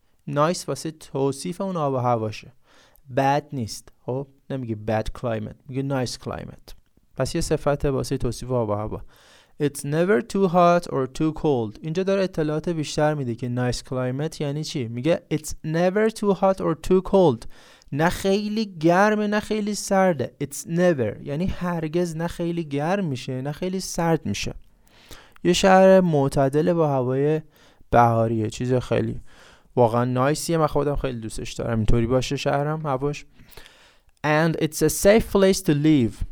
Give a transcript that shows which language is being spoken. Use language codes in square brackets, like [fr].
[fa] Nice واسه توصیف اون آب و هواشه. Bad نیست. خب نمیگی [en] bad climate. [fa] میگی [en] nice climate. [fa] پس یه صفت واسه توصیف آب و هوا. [en] It's never too hot or too cold. [fa] اینجا داره اطلاعات بیشتر میده که nice climate یعنی چی. میگه [en] It's never too hot or too cold. [fa] نه خیلی گرم نه خیلی سرده. [en] It's never [fa] یعنی هرگز نه خیلی گرم میشه نه خیلی سرد میشه. یه شهر معتدل با هوای بهاریه. چیز خیلی واقعا نایسیه. من خودم خیلی دوستش دارم اینطوری باشه شهرم هواش. [en] And it's a safe place to live.